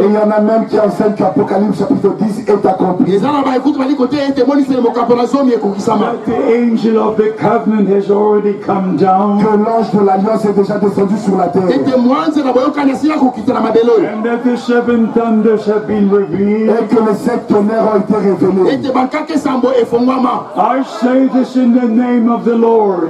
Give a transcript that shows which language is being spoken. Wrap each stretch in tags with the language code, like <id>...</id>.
<fr>Et il y en a même qui enseignent qu'Apocalypse chapitre 10 est accompli.</fr> <en>The angel of the covenant has already come down.</en> <fr>Que l'ange de l'alliance est déjà descendu sur la terre.</fr> <en>And that the seven thunders have been revealed.</en> <fr>Et que les sept tonnerres ont été révélés.</fr> <en>I say this in the name of the Lord.</en>